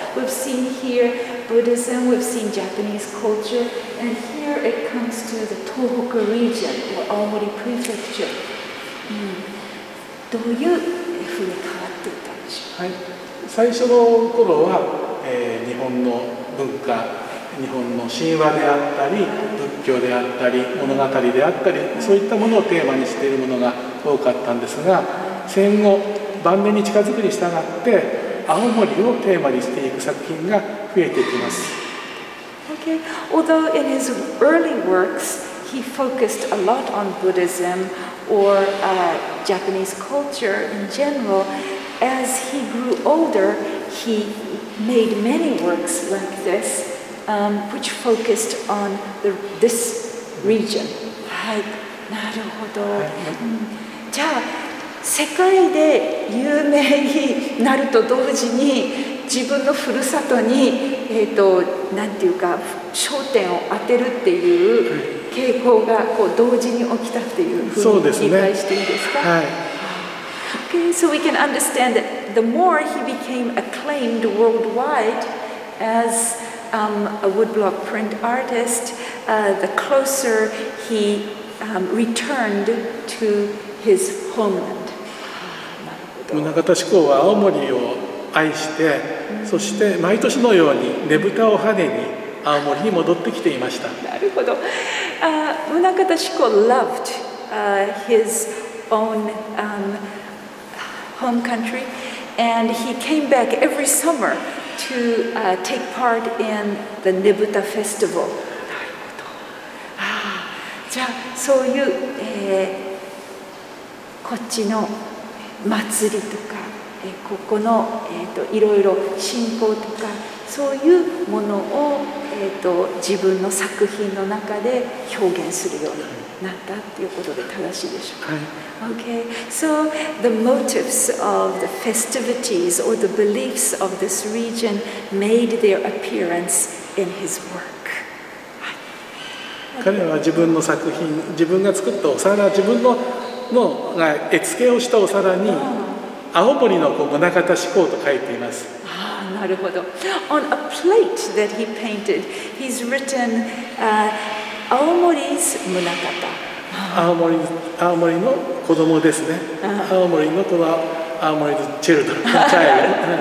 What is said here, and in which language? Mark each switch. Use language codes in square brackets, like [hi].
[en] We've seen here Buddhism, we've seen Japanese culture, and here it comes to the Tohoku region or Aomori Prefecture. [ja] どういうていうふうに変わっていったんでしょうか。はい、最初の頃は、日本の文化、日本の神話であったり、仏教であったり、物語であったり、そういったものをテーマにしているものが多かったんですが、戦後、晩年に近づくに従って、青森をテーマにしていく作品が増えていきます。 [en] Okay. Although in his early works, he focused a lot on Buddhism or Japanese culture in general, as he grew older, he made many works like this. Which focused on this region. はい、 [ja] なるほど、はい、じゃあ世界で有名になると同時に自分のふるさとに、なんていうか焦点を当てるっていう傾向がこう同時に起きたっていうふうに理解していいですか。はい、 [en] Okay, so we can understand that the more he became acclaimed worldwide asa woodblock print artist, the closer he returned to his homeland. [ja] 宗像志功は青森を愛して、そして毎年のようにねぶたを跳ねに青森に戻ってきていました。 [en] なるほど。宗像志功 loved his own home country, and he came back every summer. To take part in the Nebuta festival. [ja] なるほど。じゃあそういう、こっちの祭りとか、ここの、いろいろ信仰とかそういうものを、自分の作品の中で表現するようになったっていうことで正しいでしょうか。 [en] Okay, so the motives of the festivities or the beliefs of this region made their appearance in his work. [ja] 彼は自分の作品、自分が作ったお皿、自分 の絵付けをしたお皿に青森の宗像志功と書いています。ああ、なるほど。 [en] On a plate that he painted, he's written 青森's 宗像。 [ja] 青森の子供ですね。青森の子は青森のチェルドン。